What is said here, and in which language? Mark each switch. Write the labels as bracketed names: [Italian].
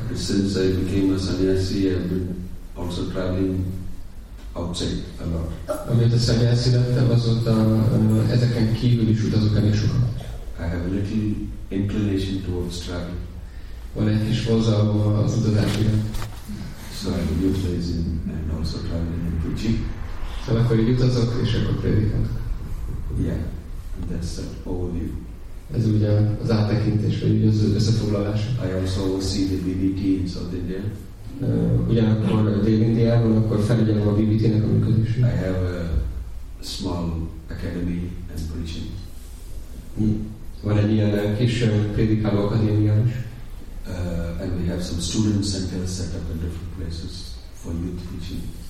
[English] Since I became a sannyasi, I've been also traveling outside a lot. [Hungarian] Amióta sannyasi lettem, azóta ezeken kívül is utazok elég sokat. [English] I have a little inclination towards traveling. [Hungarian] Van egy kis vonzalom az utazás iránt. [English] So I can utilize in and also traveling and preaching. [Hungarian] Szóval akkor így utazok, és akkor prédikálok. [English] Yeah, and that's that overview. [Hungarian] Ez ugye az áttekintés, vagy az összefoglalás. [English] I also oversee the BBT in South India. [Hungarian] Ugyanakkor Dél-Indiában, akkor felügyelem a BBT-nek a működését. [English] I have a small academy and preaching. [Hungarian] Van egy ilyen kis prédikáló akadémia is. [English] And we have some student centers set up in different places for youth preaching.